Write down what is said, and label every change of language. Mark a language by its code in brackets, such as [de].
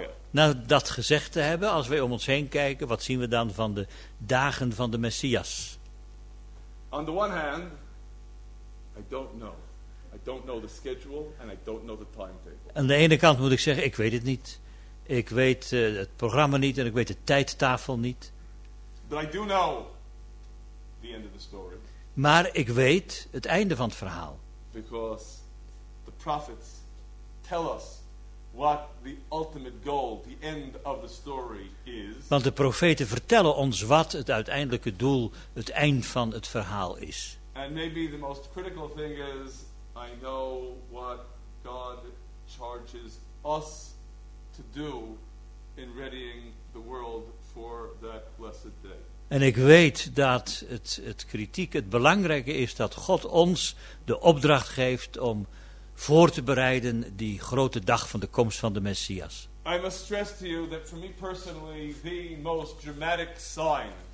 [nl] nadat gezegd te hebben, als wij om ons heen kijken, wat zien we dan van de dagen van de Messias? [en] On the one hand, I don't know. I don't know the schedule and I don't know the timetable. [nl] Aan de ene kant moet ik zeggen, ik weet het niet. Ik weet het programma niet en ik weet de tijdtafel niet. [en] But I do know the end of the story. [nl] Maar ik weet het einde van het verhaal. [en] Because the prophets tell us what the ultimate goal, the end of the story is. [nl] Want de profeten vertellen ons wat het uiteindelijke doel, het eind van het verhaal is. [en] And maybe the most critical thing is I know what God charges us to do in readying the world for that blessed day. [nl] En ik weet dat het belangrijke is dat God ons de opdracht geeft om voor te bereiden die grote dag van de komst van de Messias. [en] I must stress to you that for me personally the most dramatic sign.